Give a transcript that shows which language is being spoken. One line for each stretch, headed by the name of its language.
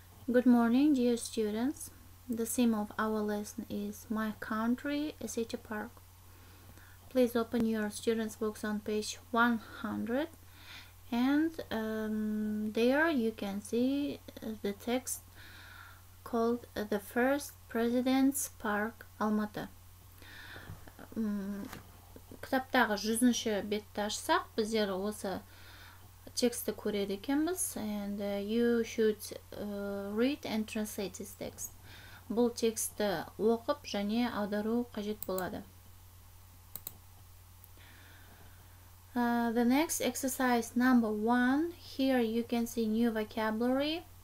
English: Good morning, dear students. The theme of our lesson is My Country, a City Park. Please open your students' books on page 100. And there you can see the text called The First President's Park, Алматы.
Kazakh: Кітаптағы 100-ші бетті ашсақ, біздер осы тексті көреді екенбіз.
English: And you should read and translate this text.
Kazakh: Бұл тексті оқып және аудару қажет болады.
English: The next exercise, number one. Here you can see new vocabulary.